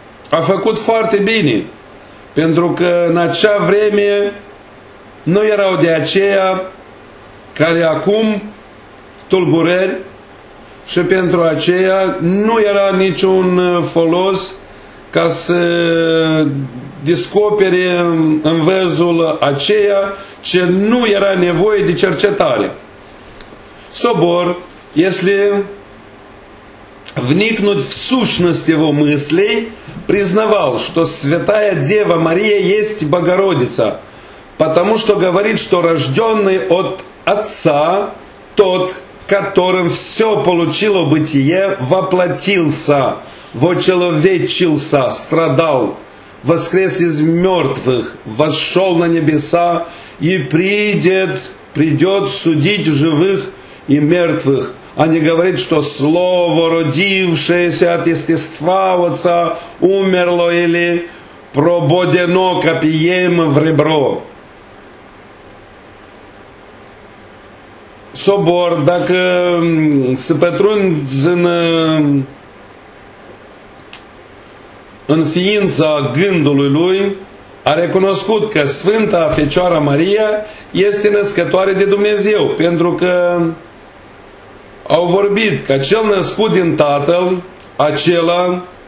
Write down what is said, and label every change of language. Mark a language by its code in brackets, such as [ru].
[ro] a făcut foarte bine, pentru că în acea vreme nu erau de aceea care acum tulburări și pentru aceea nu era niciun folos ca să descopere în văzul aceea ce nu era nevoie de cercetare. [ru] Sobor, este вникнуть в сущность его мыслей, признавал, что Святая Дева Мария есть Богородица, потому что говорит, что рожденный от Отца, тот, которым все получило бытие, воплотился, вочеловечился, страдал, воскрес из мертвых, вошел на небеса и придет судить живых и мертвых. Они говорят, что слово, родившееся от естества отца, умерло или прободено копьем в ребро. [ro] Собор, так сопетрунзен инфиенца гындулы луи, a recunoscut că Sfânta Fecioară Maria este născătoare de Dumnezeu, pentru că au vorbit că cel născut din Tatăl, acela